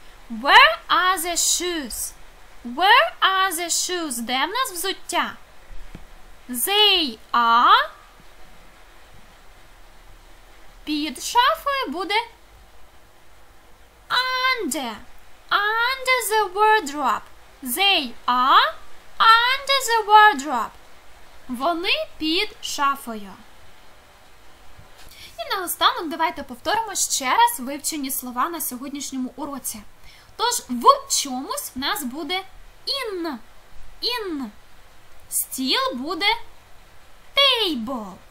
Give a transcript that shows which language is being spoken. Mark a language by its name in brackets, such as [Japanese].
[English] Where are the shoes? Where are the shoes? [Ukrainian] Де в нас взуття? [English] They are. [Ukrainian] Під шафою буде under. [English] Under the wardrobe. They are under the wardrobe. [Ukrainian] Вони під шафою. І наостанок давайте повторимо ще раз вивчені слова на сьогоднішньому уроці. Тож, в чомусь в нас буде in. In. Стіл буде table.